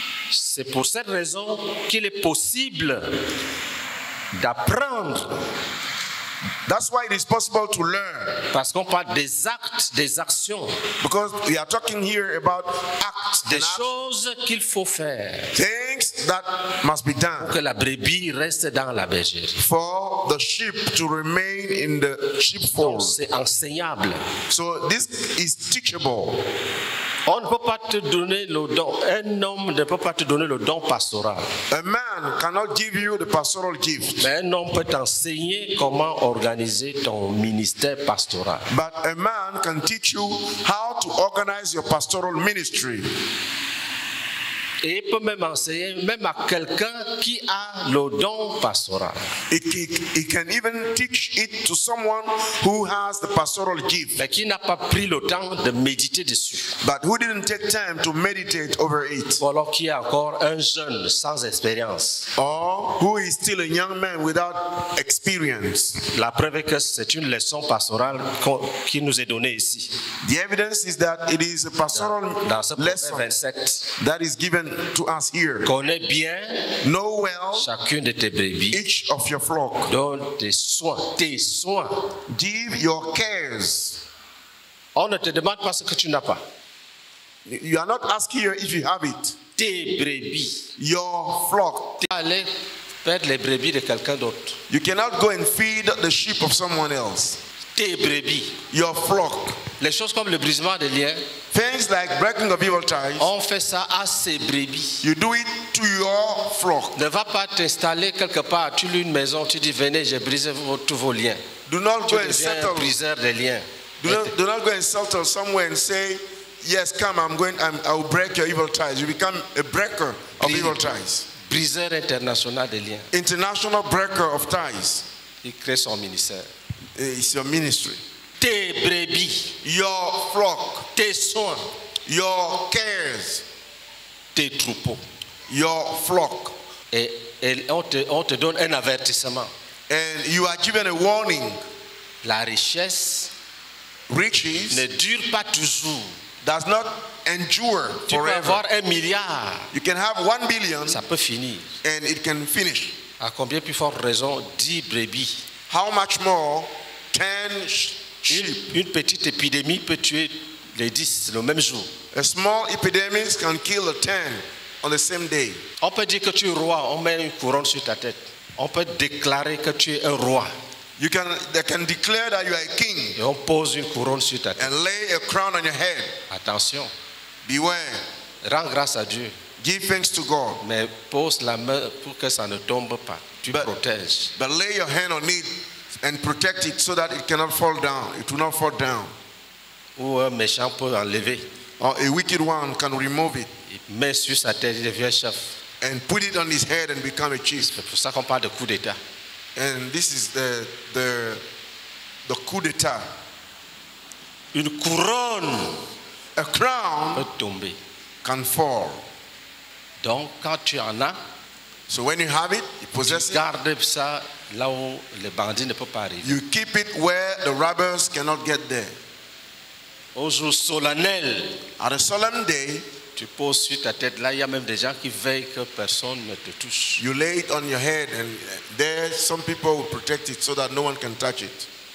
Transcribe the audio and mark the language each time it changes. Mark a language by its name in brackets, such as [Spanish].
[French] C'est pour cette raison qu'il est possible d'apprendre. [English] That's why it is possible to learn. [French] Parce qu'on parle des actes, des actions. [English] Because we are talking here about acts. [French] Des choses qu'il faut faire. [English] Things that must be done. [French] Pour que la brebis reste dans la bergerie. [English] For the sheep to remain in the sheepfold. [French] Donc c'est enseignable. [English] So this is teachable. [French] On ne peut pas te donner le don. Un homme ne peut pas te donner le don pastoral. [English] A man cannot give you the pastoral gift. [French] Mais un homme peut t'enseigner comment organiser ton ministère pastoral. [English] But a man can teach you how to organize your pastoral ministry. [French] Et il peut même enseigner même à quelqu'un qui a le don pastoral. [English] He can even teach it to someone who has the pastoral gift. [French] Mais qui n'a pas pris le temps de méditer dessus. [English] But who didn't take time to meditate over it? [French] Ou alors qui est encore un jeune sans expérience. [English] Or who is still a young man without experience? [French] La preuve est que c'est une leçon pastorale qui nous est donnée ici. [English] The evidence is that it is a pastoral lesson 27. That is given to us here. [French] Connais bien, [English] know well, [French] chacune de tes brebis, [English] each of your flock. [French] Donne tes soins. [English] Give your cares. [French] On ne te demande pas ce que tu n'as pas. [English] You are not asking if you have it. [French] Tes brebis, [English] your flock. [French] Aller faire les brebis de quelqu'un d'autre. [English] You cannot go and feed the sheep of someone else. [French] Tes brebis, [English] your flock. [French] Les choses comme le brisement des liens, [English] things like breaking of evil ties, [French] on fait ça à ses brebis. [English] You do it to your flock. [French] Ne va pas t'installer quelque part, tu loues une maison, tu dis venez, j'ai brisé tous vos liens. [English] Do not [French] tu [English] go and settle. [French] Un briseur des liens. [English] Do not go and settle somewhere and say, yes, come, I will break your evil ties. You become a breaker of evil ties. [French] Briseur international des liens. [English] International breaker of ties. [French] Il crée son ministère. [English] It's your ministry. [French] Tes brebis, [English] your flock. [French] Tes soins, [English] your cares. [French] Tes troupeaux, [English] your flock. [French] Et on te donne un avertissement. [English] And you are given a warning. [French] La richesse, [English] riches, [French] ne dure pas toujours. [English] Does not endure forever. [French] Tu peux avoir 1 milliard. [English] You can have 1 billion. [French] Ça peut finir. [English] And it can finish. [French] À combien plus forte raison 10 brebis? [English] How much more 10 sheep? [French] Une petite épidémie peut tuer les 10 le même jour. [English] A small epidemic can kill 10 on the same day. [French] On peut dire que tu es roi, on met une couronne sur ta tête. On peut déclarer que tu es un roi. [English] They can declare that you are a king. [French] Et on pose une couronne sur ta tête. [English] And lay a crown on your head. [French] Attention. [English] Beware. [French] Rends grâce à Dieu. [English] Give thanks to God. [French] Mais pose la main pour que ça ne tombe pas. [English] But lay your hand on it and protect it so that it cannot fall down. It will not fall down. [French] Ou un méchant peut enlever. [English] Or a wicked one can remove it. [French] Il met sur sa tête, il devient chef. [English] And put it on his head and become a chief. [French] C'est pour ça qu'on parle de coup d'état. [English] And this is the coup d'état. [French] Une couronne, [English] a crown, [French] peut tomber, [English] can fall. [French] Donc quand tu en as. [English] So when you have it, you possess it. [French] Garde ça là où les bandits ne peuvent pas arriver. [English] You keep it where the robbers cannot get there. [French] Au jour solennel, [English] on a solemn day, [French] tu poses sur ta tête là, il y a même des gens qui veillent que personne ne te touche. [English] You lay it on your head and there some people will protect it so that no one can touch it.